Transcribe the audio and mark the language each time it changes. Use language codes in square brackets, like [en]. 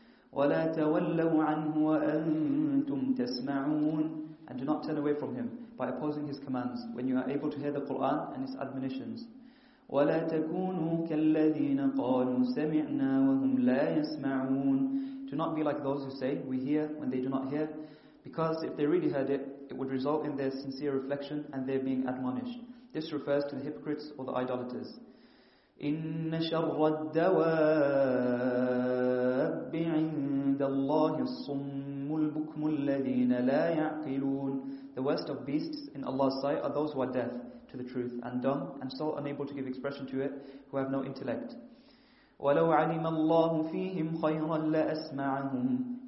[ar] ولا تولوا عنه وأنتم تسمعون. [en] And do not turn away from Him by opposing His commands when you are able to hear the Quran and His admonitions. [ar] ولا تكونوا كالذين قالوا سمعنا وهم لا يسمعون. [en] Do not be like those who say, "We hear," when they do not hear, because if they really heard it, it would result in their sincere reflection and their being admonished. This refers to the hypocrites or the idolaters. [ar] إن شر الدواب عند الله الصم البكم الذين لا يعقلون. [en] The worst of beasts in Allah's sight are those who are deaf to the truth and dumb and so unable to give expression to it, who have no intellect. [ar] ولو علم الله فيهم خيرا لأسمعهم.